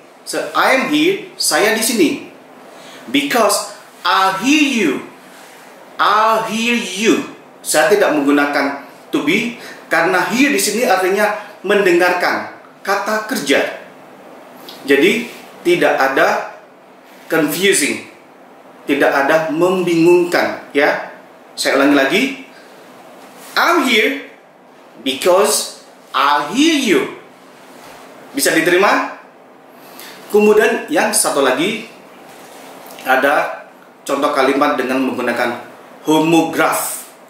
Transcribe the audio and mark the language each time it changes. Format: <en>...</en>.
<en>So, I am here,</en> <id>saya di sini.</id> <en>Because I hear you. I hear you.</en> <id>Saya tidak menggunakan to be, karena hear di sini artinya mendengarkan, kata kerja. Jadi tidak ada confusing, tidak ada membingungkan, ya. Saya ulangi lagi,</id> <en>I'm here because I'll hear you.</en> <id>Bisa diterima? Kemudian yang satu lagi, ada contoh kalimat dengan menggunakan homograph.</id>